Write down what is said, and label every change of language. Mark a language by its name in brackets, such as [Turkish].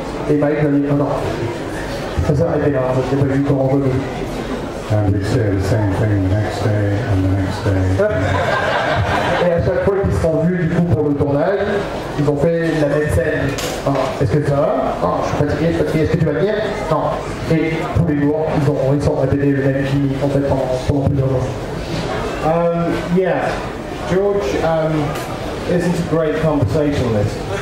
[French] Et Mike m'a dit, oh non, ça s'est arrêté là, je n'ai pas vu comment on veut. [English] And we say the same thing the next day, and the next day. [French] Et à chaque fois qu'ils se sont vus du coup pour le tournage, ils ont fait la même scène. Ah, est-ce que ça va? Ah, je suis fatigué, est-ce que tu vas venir? Non. Et tous les jours, ils ont répété le même film en fait pendant plusieurs jours. [English] Yeah, George, this is a great conversationalist.